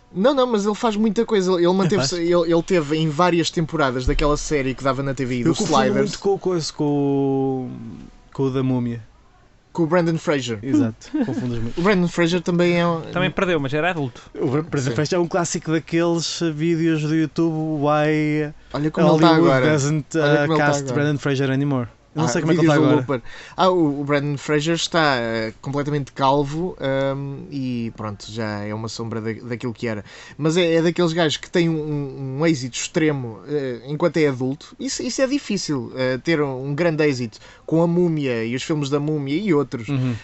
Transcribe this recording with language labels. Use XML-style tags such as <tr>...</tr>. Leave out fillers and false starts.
<pt>Não, mas ele faz muita coisa. Ele manteve-se, ele teve em várias temporadas daquela série que dava na TV, do Sliders. Eu confundo muito com o da Múmia. Com o Brendan Fraser. Exato, confundes muito. O Brendan Fraser também é... Também perdeu, mas era adulto. O Brendan Fraser é um clássico daqueles vídeos do YouTube. Olha como ele está agora.</pt> <en>Doesn't cast Brendan Fraser anymore.</en> <pt>Eu não sei como é que ele está agora. O Brendan Fraser está completamente calvo e pronto, já é uma sombra daquilo que era. Mas é daqueles gajos que têm um êxito extremo enquanto é adulto. Isso é difícil, ter um grande êxito com A Múmia e os filmes da Múmia e outros. Uhum.</pt>